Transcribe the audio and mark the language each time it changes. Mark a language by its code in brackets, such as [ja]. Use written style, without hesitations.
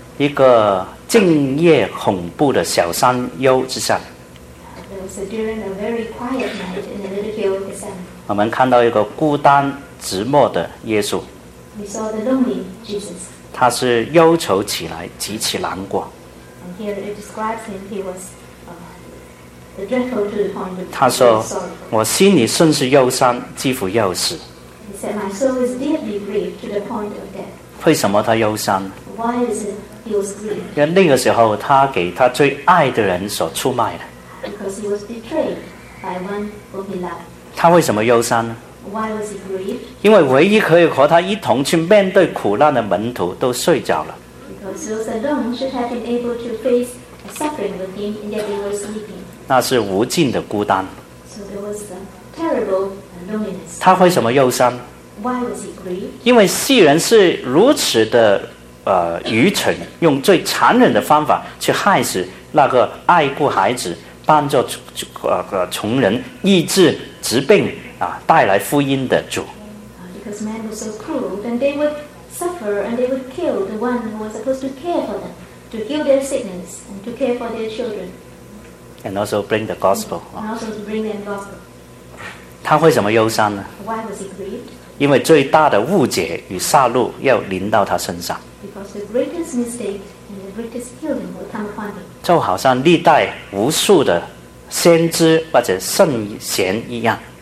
[zh] 一个静夜恐怖的小山丘之上。 [en] It was during a very quiet night in the little hill of Gethsemane. [zh] 我们看到一个孤单寂寞的耶稣。 [en] We saw the lonely Jesus. [zh] 他是忧愁起来，极其难过。 [en] Here it describes him, he was the dreadful to the point of being sorry. [zh] 他说，我心里甚是忧伤，几乎要死。 [en] He said, my soul is deeply grieved to the point of death. [zh] 为什么他忧伤？ [en] Why is it he was grieved? [zh] 因为那个时候他给他最爱的人所出卖了。 [en] Because he was betrayed by one whom he loved. [zh] 他为什么忧伤呢？ [en] Why was he grieved? [zh] 因为唯一可以和他一同去面对苦难的门徒都睡着了。 [en] Those alone should have been able to face suffering with him, and yet they were sleeping. [zh] 那是无尽的孤单。 [en] So there was a terrible loneliness. [zh] 他为什么忧伤？ [en] Why was he grieved? [zh] 因为世人是如此的愚蠢，用最残忍的方法去害死那个爱护孩子、帮助穷人、医治疾病带来福音的主。 [en] Because man was so cruel, then they would. Suffer and they would kill the one who was supposed to care for them, to heal their sickness and to care for their children. And also bring the gospel. And also to bring them gospel. [zh] 他为什么忧伤呢？ [en] Why was he grieved? [zh] 因为最大的误解与杀戮要临到他身上。 [en] Because the greatest mistake and the greatest killing will come upon him. [zh] 就好像历代无数的先知或者圣贤一样。